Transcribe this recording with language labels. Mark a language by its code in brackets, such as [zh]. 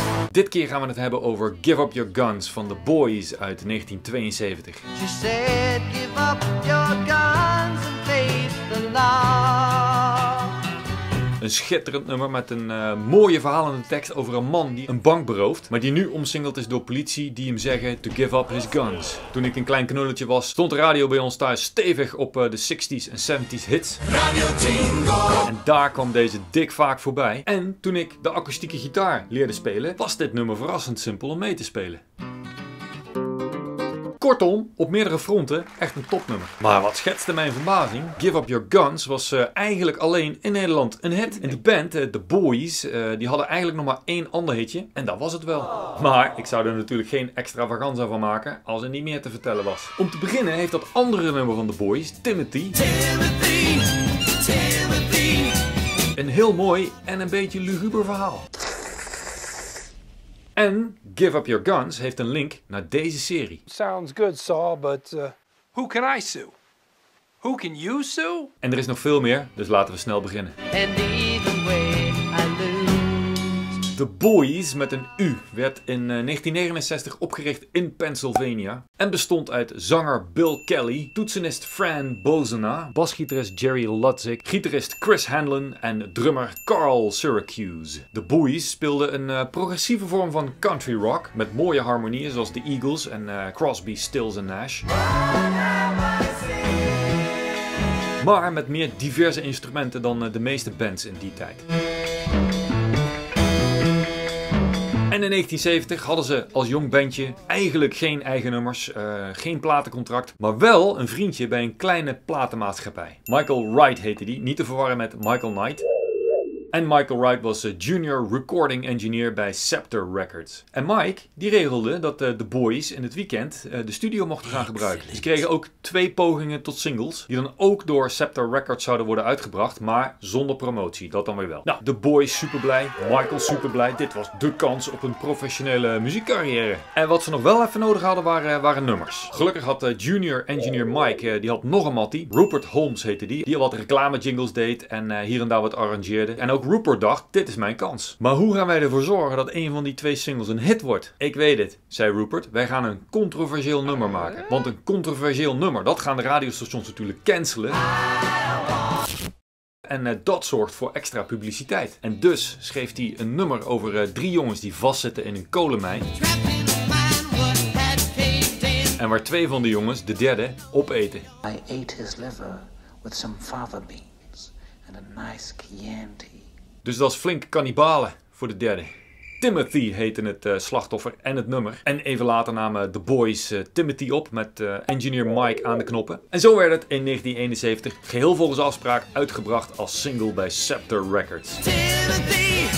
[nl] Dit keer gaan we het hebben over Give Up Your Guns van The Boys uit 1972. [en] She said, give up your guns and face the law. [nl] Een schitterend nummer met een mooie verhalende tekst over een man die een bank berooft, maar die nu omsingeld is door politie die hem zeggen to give up his guns. Toen ik een klein knulletje was, stond de radio bij ons thuis stevig op de 60s en 70s hits. Radio Tingo. En daar kwam deze dik vaak voorbij. En toen ik de akoestieke gitaar leerde spelen, was dit nummer verrassend simpel om mee te spelen. Kortom, op meerdere fronten echt een topnummer. Maar wat schetste mijn verbazing, Give Up Your Guns was eigenlijk alleen in Nederland een hit. En die band, The Boys, die hadden eigenlijk nog maar één ander hitje. En dat was het wel. Maar ik zou er natuurlijk geen extravaganza van maken als er niet meer te vertellen was. Om te beginnen heeft dat andere nummer van The Boys, Timothy. Timothy. Een heel mooi en een beetje luguber verhaal. En Give Up Your Guns heeft een link naar deze serie. [en] Sounds good, Saul, but who can I sue? Who can you sue? [nl] En er is nog veel meer, dus laten we snel beginnen. And either way, I lose. The Boys met een U werd in 1969 opgericht in Pennsylvania en bestond uit zanger Bill Kelly, toetsenist Fran Bozena, basgitarist Jerry Lutzik, gitarist Chris Hanlon en drummer Carl Syracuse. The Boys speelden een progressieve vorm van country rock met mooie harmonieën zoals The Eagles en Crosby, Stills en Nash. Maar met meer diverse instrumenten dan de meeste bands in die tijd. En in 1970 hadden ze als jong bandje eigenlijk geen eigen nummers, geen platencontract, maar wel een vriendje bij een kleine platenmaatschappij. Michael Wright heette die, niet te verwarren met Michael Knight. En Michael Wright was junior recording engineer bij Scepter Records. En Mike, die regelde dat de Boys in het weekend de studio mochten gaan gebruiken. Ze kregen ook twee pogingen tot singles, die dan ook door Scepter Records zouden worden uitgebracht, maar zonder promotie, dat dan weer wel. Nou, de Boys superblij, Michael superblij, dit was de kans op een professionele muziekcarrière. En wat ze nog wel even nodig hadden waren nummers. Gelukkig had junior engineer Mike, die had nog een mattie, Rupert Holmes heette die, die al wat reclame jingles deed en hier en daar wat arrangeerde. En ook Rupert dacht, dit is mijn kans. Maar hoe gaan wij ervoor zorgen dat een van die twee singles een hit wordt? Ik weet het, zei Rupert. Wij gaan een controversieel nummer maken. Want een controversieel nummer, dat gaan de radiostations natuurlijk cancelen. En dat zorgt voor extra publiciteit. En dus schreef hij een nummer over drie jongens die vastzitten in een kolenmijn. En waar twee van de jongens, de derde, opeten. [en] I ate his liver with some fava beans. [nl] And a nice Chianti. Dus dat is flink kannibalen voor de derde. Timothy heette het slachtoffer en het nummer. En even later namen The Boys Timothy op met engineer Mike aan de knoppen. En zo werd het in 1971 geheel volgens afspraak uitgebracht als single bij Scepter Records. Timothy.